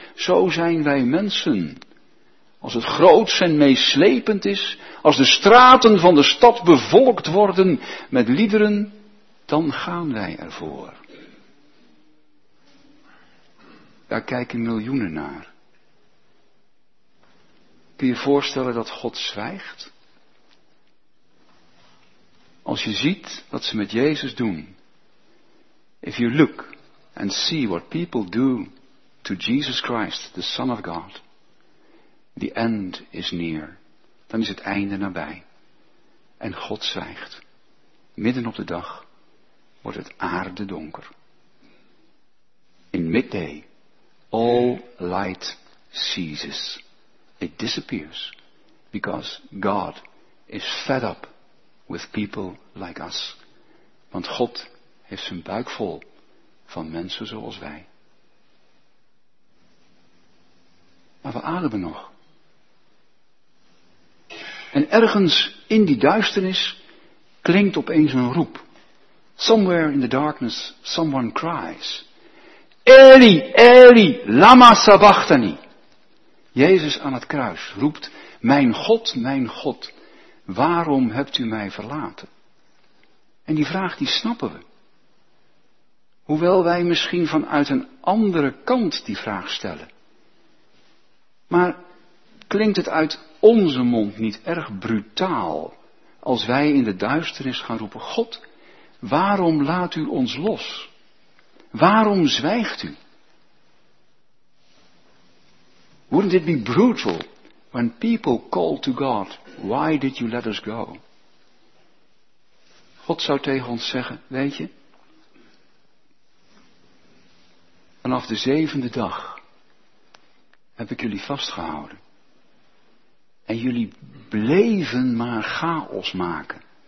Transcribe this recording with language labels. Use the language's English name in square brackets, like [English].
[Dutch] Zo zijn wij mensen. Als het groots en meeslepend is, als de straten van de stad bevolkt worden met liederen, dan gaan wij ervoor. daar kijken miljoenen naar. Kun je je voorstellen dat God zwijgt? Als je ziet wat ze met Jezus doen. [English] If you look and see what people do to Jesus Christ, the Son of God. The end is near. [Dutch] Dan is het einde nabij. En God zwijgt. Midden op de dag wordt het aarde donker. [English] In midday, all light ceases. It disappears because God is fed up with people like us. [Dutch] Want God heeft zijn buik vol van mensen zoals wij. Maar we ademen nog. En ergens in die duisternis klinkt opeens een roep. [English] Somewhere in the darkness someone cries. [Aramaic] Eli, Eli, lama sabachthani. [Dutch] Jezus aan het kruis roept, mijn God, waarom hebt u mij verlaten? En die vraag die snappen we. Hoewel wij misschien vanuit een andere kant die vraag stellen. Maar klinkt het uit onze mond niet erg brutaal als wij in de duisternis gaan roepen, God, waarom laat u ons los? Waarom zwijgt u? [English] Wouldn't it be brutal when people call to God, why did you let us go? [Dutch] God zou tegen ons zeggen, weet je, vanaf de zevende dag heb ik jullie vastgehouden. En jullie bleven maar chaos maken.